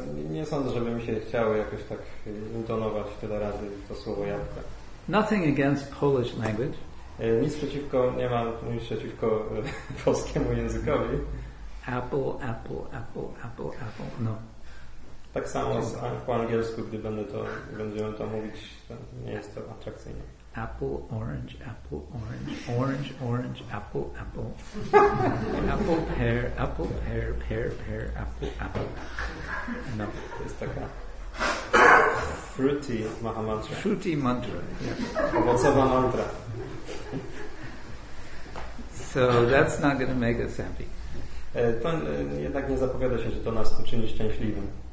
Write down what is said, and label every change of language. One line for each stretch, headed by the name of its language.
Polish: Nie sądzę, żeby mi się chciało jakoś tak intonować tyle razy to słowo jabłka.
English: Nothing against Polish language.
Polish: Nie mam nic przeciwko polskiemu językowi.
English: Apple, apple, apple, apple, apple. No.
Polish: Tak samo po angielsku, gdy będziemy to mówić, to nie jest to atrakcyjne.
English: Apple, orange, apple, orange, orange, orange, apple, apple. Apple, pear, pear, pear, apple, apple. No.
Polish: To jest taka fruity mahamantra.
English: Fruity mantra, yeah.
Polish: Owocowa mantra.
English: So that's not going to make us happy.
Polish: To jednak nie zapowiada się, że to nas uczyni szczęśliwym.